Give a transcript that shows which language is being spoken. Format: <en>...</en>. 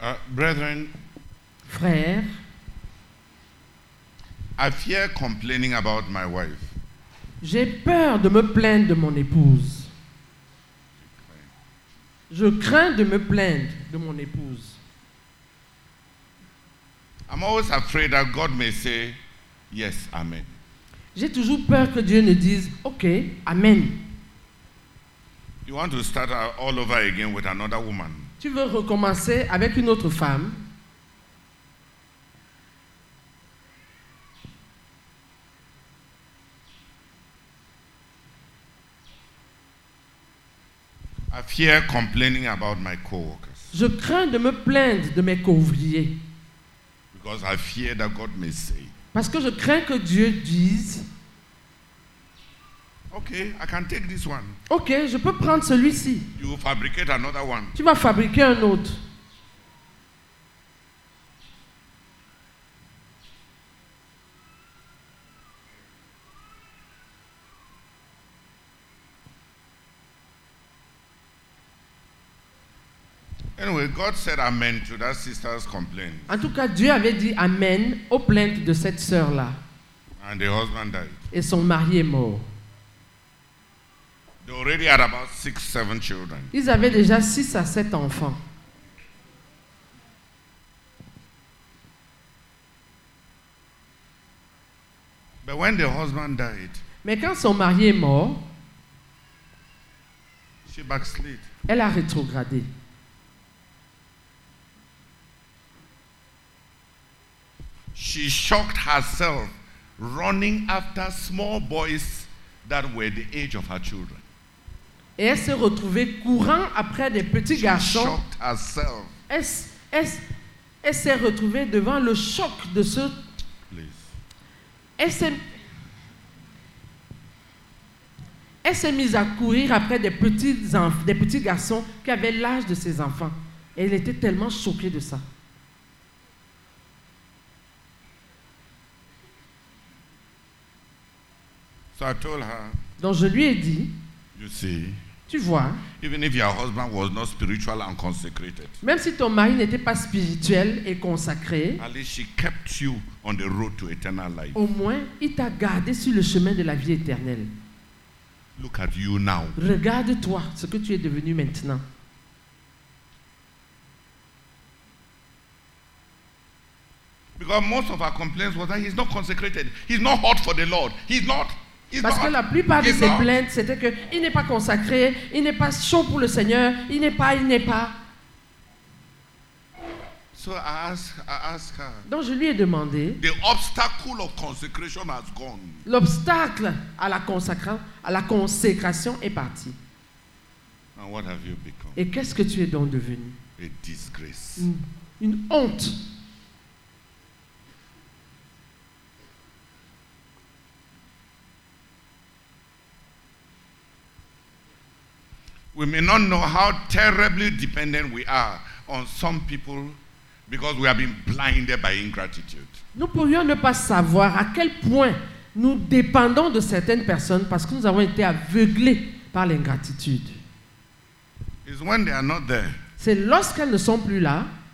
<en>Brethren,</en> <fr>frères,</fr> <en>I fear complaining about my wife.</en> <fr>J'ai peur de me plaindre de mon épouse. Je crains de me plaindre de mon épouse.</fr> <en>I'm always afraid that God may say, yes, amen.</en> <fr>J'ai toujours peur que Dieu ne dise, ok, amen.</fr> <en>You want to start all over again with another woman?</en> <fr>Tu veux recommencer avec une autre femme?</fr> <en>I fear complaining about my coworkers.</en> <fr>Je crains de me plaindre de mes co-ouvriers.</fr> <en>Because I fear that God may say.</en> <fr>Parce que je crains que Dieu dise.</fr> <en>Okay, I can take this one.</en> <fr>Okay, je peux prendre celui-ci.</fr> <en>You will fabricate another one.</en> <fr>Tu vas fabriquer un autre.</fr> <en>Anyway, God said amen to that sister's complaint.</en> <fr>En tout cas, Dieu avait dit amen aux plaintes de cette sœur-là.</fr> <en>And the husband died.</en> <fr>Et son mari est mort.</fr> <en>They already had about 6-7 children.</en> <fr>Ils avaient déjà 6 à 7 enfants.</fr> <en>But when the husband died,</en> <fr>mais quand son mari est mort,</fr> <en>she backslid.</en> <fr>Elle a rétrogradé.</fr> <en>She shocked herself running after small boys that were the age of her children.</en> <fr>Et elle s'est retrouvée courant après des petits garçons.</fr> <en>She shocked herself.</en> <fr>Elle s'est retrouvée devant le choc de ce.</fr> <en>Please.</en> <fr>Elle s'est Elle s'est mise à courir après des petits garçons qui avaient l'âge de ses enfants. Elle était tellement choquée de ça.</fr> <en>So I told her,</en> <fr>donc je lui ai dit,</fr> <en>you see,</en> <fr>tu vois,</fr> <en>even if your husband was not spiritual and consecrated,</en> <fr>même si ton mari n'était pas spirituel et consacré,</fr> <en>at least she kept you on the road to eternal life.</en> <fr>Au moins, il t'a gardé sur le chemin de la vie éternelle.</fr> <en>Look at you now.</en> <fr>Regarde-toi ce que tu es devenu maintenant.</fr> <en>Because most of our complaints was that he's not consecrated. He's not hot for the Lord. He's not. He's</en> <fr>Parce</fr> <en>not,</en> <fr>que la plupart de ses plaintes, c'était que il n'est pas consacré, il n'est pas chaud pour le Seigneur, il n'est pas.</fr> <en>So I asked her.</en> <fr>Donc je lui ai demandé.</fr> <en>The obstacle of consecration has gone.</en> <fr>L'obstacle à la consécration est parti.</fr> <en>And what have you become?</en> <fr>Et qu'est-ce que tu es donc devenu?</fr> <en>A disgrace.</en> <fr>Une honte.</fr> <en>We may not know how terribly dependent we are on some people because we have been blinded by ingratitude.</en> <fr>Nous pourrions ne pas savoir à quel point nous dépendons de certaines personnes parce que nous avons été aveuglés par l'ingratitude.</fr> <en>It's when they are not there.</en> <fr>C'est lorsqu'elles ne sont plus là.</fr>